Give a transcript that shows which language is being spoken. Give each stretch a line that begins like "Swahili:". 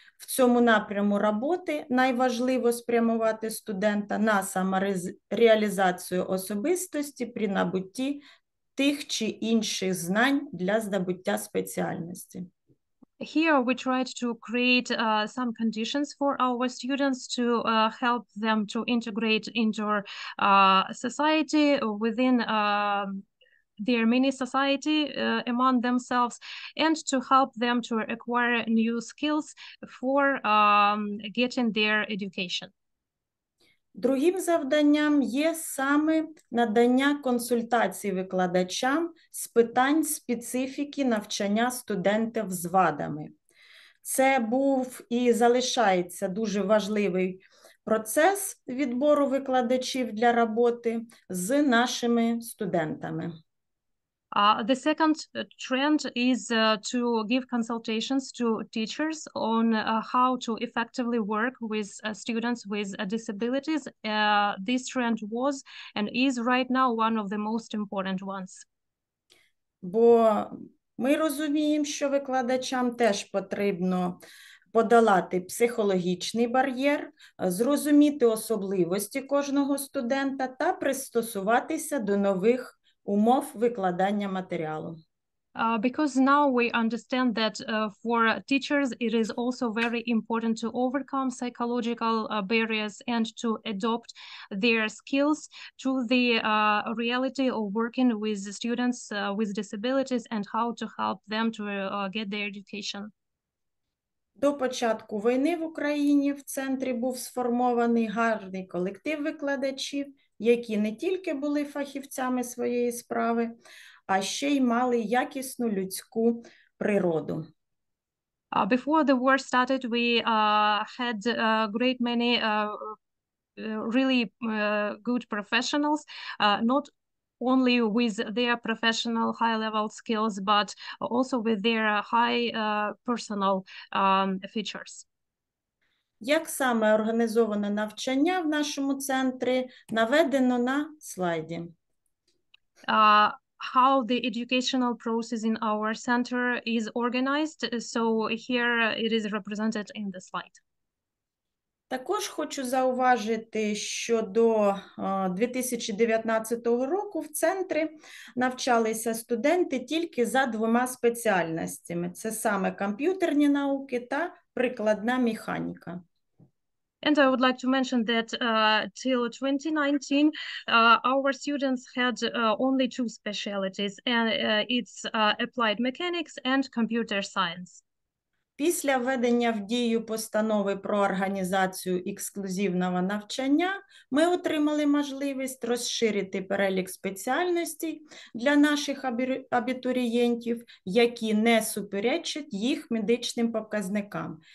Ukrainian: В цьому напряму роботи найважливо спрямувати студента на самореалізацію особистості при набутті тих чи інших знань для здобуття спеціальності.
English: Here we tried to create some conditions for our students to help them to integrate into society within their mini society among themselves, and to help them to acquire new skills for getting their education.
Ukrainian: Другим завданням є саме надання консультацій викладачам з питань специфіки навчання студентів з вадами. Це був і залишається дуже важливий процес відбору викладачів для роботи з нашими студентами.
English: The second trend is to give consultations to teachers on how to effectively work with students with disabilities. This trend was and is right now one of the most important ones.
Ukrainian: Бо ми розуміємо, що викладачам теж потрібно подолати психологічний бар'єр, зрозуміти особливості кожного студента та пристосуватися до нових умов викладання матеріалу.
English: Because now we understand that for teachers it is also very important to overcome psychological barriers and to adopt their skills to the reality of working with students with disabilities and how to help them to get their education.
Ukrainian: До початку війни в Україні в центрі був сформований гарний колектив викладачів, які не тільки були фахівцями своєї справи, а ще й мали якісну людську природу.
English: Before the war started, we had a great many really good professionals, not only with their professional high-level skills, but also with their high personal features.
Ukrainian: Як саме організоване навчання в нашому центрі, наведено на слайді.
English: How the educational process in our center is organized, so here it is represented in the slide.
Ukrainian: Також хочу зауважити, що до 2019 року в центрі навчалися студенти тільки за двома спеціальностями. Це саме комп'ютерні науки та прикладна механіка.
English: And I would like to mention that till 2019, our students had only two specialties, and it's applied mechanics and computer science.
Ukrainian: Після введення в дію постанови про організацію ексклюзивного навчання, ми отримали можливість розширити перелік спеціальностей для наших абітурієнтів, які не суперечать їх медичним показникам.